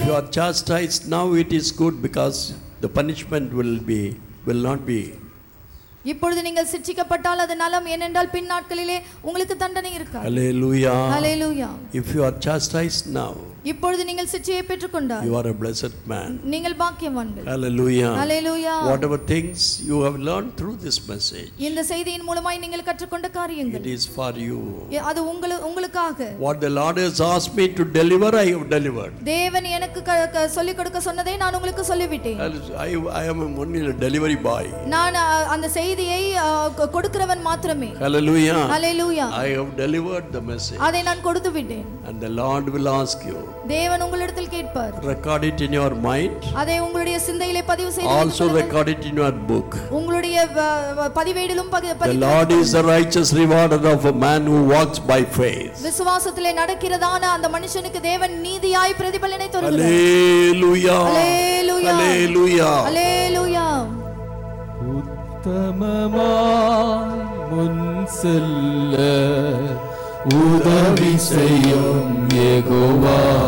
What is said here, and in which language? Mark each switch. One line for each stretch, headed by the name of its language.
English: If you are chastised now it is good because the punishment will not be.
Tamil: இப்பொழுது நீங்கள் சிட்சிக்கப்பட்டால் அது நலம். ஏனென்றால் பின் நாட்களிலே உங்களுக்கு தண்டனை இருக்காது.
English: Hallelujah. Hallelujah. If you are chastised now.
Tamil: இப்பொழுது நீங்கள் சிட்சையை பெற்றுக்கொண்டால்.
English: You are a blessed man.
Tamil: நீங்கள் பாக்கியவான்கள்.
English: Hallelujah. Hallelujah. Whatever things you have learned through this message.
Tamil: இந்த செய்தியின் மூலமாய் நீங்கள் கற்றுக்கொண்ட காரியங்கள்.
English: It is for you.
Tamil: அது உங்களுக்காக.
English: What the Lord has asked me to deliver, I have delivered.
Tamil: தேவன் எனக்கு சொல்லி கொடுக்க சொன்னதை நான் உங்களுக்கு சொல்லிவிட்டேன்.
English: I am a only delivery boy.
Tamil: நான் அந்த செய்தியை கொடுக்கிறவன் மாத்திரமே.
English: Hallelujah. Hallelujah. I have delivered the message.
Tamil: அதை நான் கொடுத்து விட்டேன்.
English: And the Lord will ask you.
Tamil: தேவன் உங்களிடத்தில் கேட்பார்.
English: Record it in your mind.
Tamil: அதை உங்களுடைய சிந்தையிலே பதிவு செய்து.
English: Also record it in your book.
Tamil: உங்களுடைய பதிவேடிலும் பதிவு.
English: The Lord is the righteous rewarder of a man who walks by faith.
Tamil: விசுவாசத்திலே நடக்கிறதான அந்த மனுஷனுக்கு தேவன் நீதியாய் பிரதிபலனை தருவார்.
English: Hallelujah. Hallelujah. Hallelujah. Hallelujah.
Tamil: உத்தமமாய் முன்செல்ல உதவி செய்யும் யெகோவா.